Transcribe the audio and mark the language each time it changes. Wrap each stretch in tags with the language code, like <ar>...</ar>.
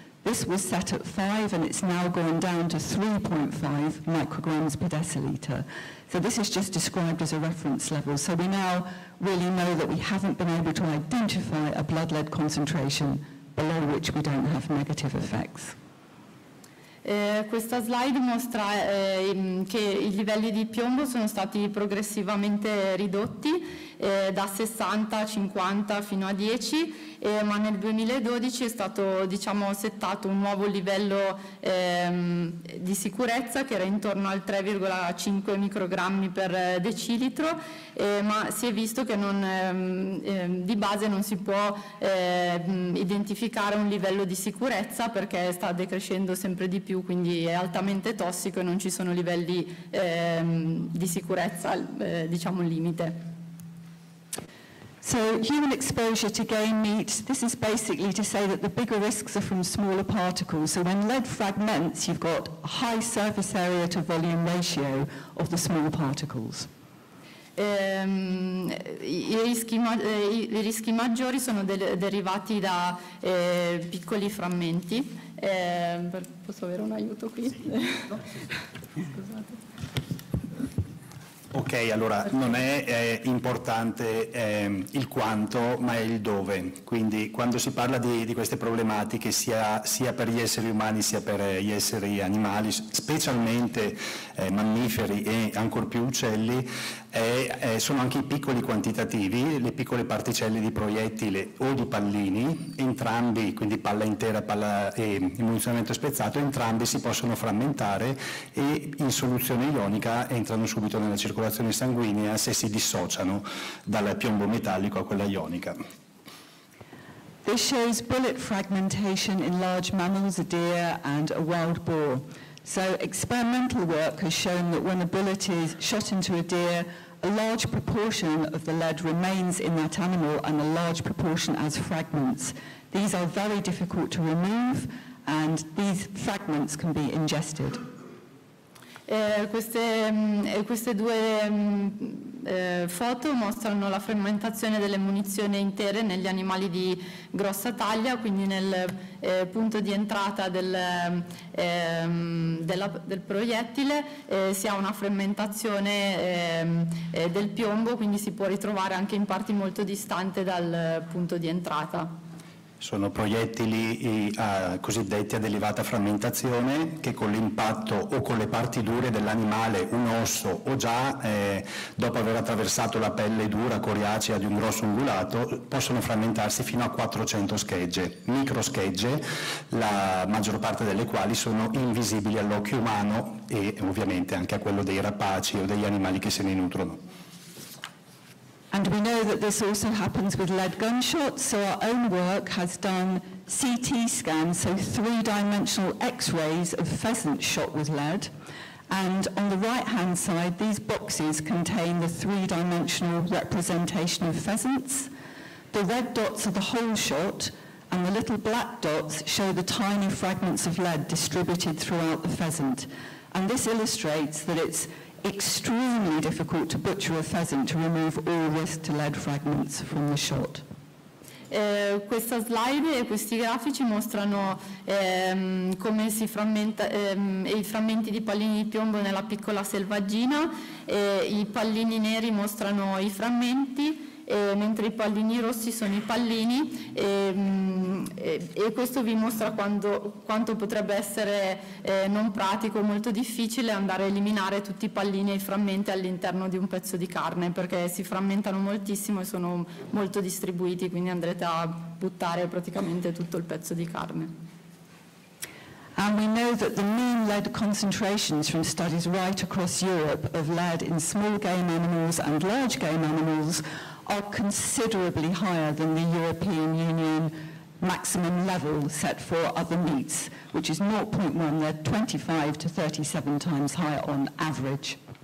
<en>This was set at 5 and it's now gone down to 3.5 micrograms per deciliter. So this is just described as a reference level. So we now really know that we haven't been able to identify a blood lead concentration below which we don't have negative effects.</en> <it>Questa slide mostra che i livelli di piombo sono stati progressivamente ridotti da 60 a 50 fino a 10, ma nel 2012 è stato settato un nuovo livello di sicurezza che era intorno al 3,5 microgrammi per decilitro, ma si è visto che di base non si può identificare un livello di sicurezza perché sta decrescendo sempre di più, quindi è altamente tossico e non ci sono livelli di sicurezza limite.</it> <en>So human exposure to game meat, this is basically to say that the bigger risks are from smaller particles. So when lead fragments, you've got a high surface area to volume ratio of the small particles.</en> <it>I rischi maggiori sono derivati da piccoli frammenti. Posso avere un aiuto qui? Scusate. Ok, allora non è importante il quanto, ma è il dove. Quindi quando si parla di queste problematiche, sia per gli esseri umani sia per gli esseri animali, specialmente mammiferi e ancor più uccelli, sono anche i piccoli quantitativi, le piccole particelle di proiettile o di pallini, entrambi, quindi palla intera e munizionamento spezzato, entrambi si possono frammentare e in soluzione ionica entrano subito nella circolazione sanguigna se si dissociano dal piombo metallico a quella ionica.</it> <en>This shows bullet fragmentation in large mammals, a deer and a wild boar. So experimental work has shown that when a bullet is shot into a deer, a large proportion of the lead remains in that animal and a large proportion as fragments. These are very difficult to remove and these fragments can be ingested.</en> <it>Foto mostrano la frammentazione delle munizioni intere negli animali di grossa taglia, quindi nel punto di entrata del proiettile si ha una frammentazione del piombo, quindi si può ritrovare anche in parti molto distante dal punto di entrata. Sono proiettili cosiddetti ad elevata frammentazione che con l'impatto o con le parti dure dell'animale, un osso o già dopo aver attraversato la pelle dura coriacea di un grosso ungulato, possono frammentarsi fino a 400 schegge, microschegge, la maggior parte delle quali sono invisibili all'occhio umano e ovviamente anche a quello dei rapaci o degli animali che se ne nutrono.</it> <en>And we know that this also happens with lead gunshots, so our own work has done CT scans, so three-dimensional x-rays of pheasants shot with lead. And on the right-hand side, these boxes contain the three-dimensional representation of pheasants. The red dots are the whole shot, and the little black dots show the tiny fragments of lead distributed throughout the pheasant. And this illustrates that it's extremely difficult to butcher a pheasant to remove all this lead fragments from the shot.</en> <it>Questa slide e questi grafici mostrano come si frammenta i frammenti di pallini di piombo nella piccola selvaggina. I pallini neri mostrano i frammenti, mentre i pallini rossi sono i pallini. E questo vi mostra quanto potrebbe essere non pratico, molto difficile andare a eliminare tutti i pallini e i frammenti all'interno di un pezzo di carne, perché si frammentano moltissimo e sono molto distribuiti, quindi andrete a buttare praticamente tutto il pezzo di carne.</it> <en>And we know that the mean lead concentrations from studies right across Europe of lead in small game animals and large game animals are considerably higher than the European Union maximum level set for other meats, which is 0.1, they're 25 to 37 times higher on average.</en>